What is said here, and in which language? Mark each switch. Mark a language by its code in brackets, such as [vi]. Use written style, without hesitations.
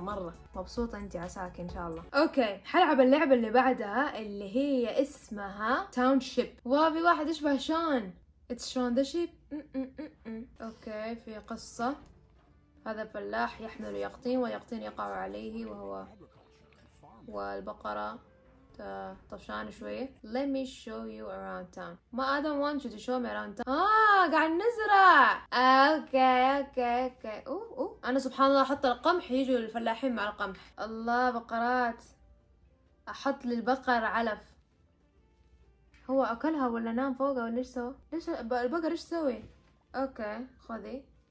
[ar] مره مبسوطه انت عساك ان شاء الله. اوكي حلعب اللعبه اللي بعدها اللي هي اسمها تاونشيب. وفي واحد اشبه شان. [en] It's Shaun the sheep. [ar] اوكي في قصه. هذا فلاح يحمل يقطين ويقطين يقع عليه وهو والبقرة طفشان شوية. [en] Let me show you around town. [ar] ما [en] I don't want you to show me around town. [ar] قاعد نزرع. اوكي. اوه انا سبحان الله احط القمح، يجوا الفلاحين مع القمح. الله بقرات. احط للبقر علف. هو اكلها ولا نام فوقها ولا ايش سوى؟ ليش البقر ايش سوي؟ اوكي خذي.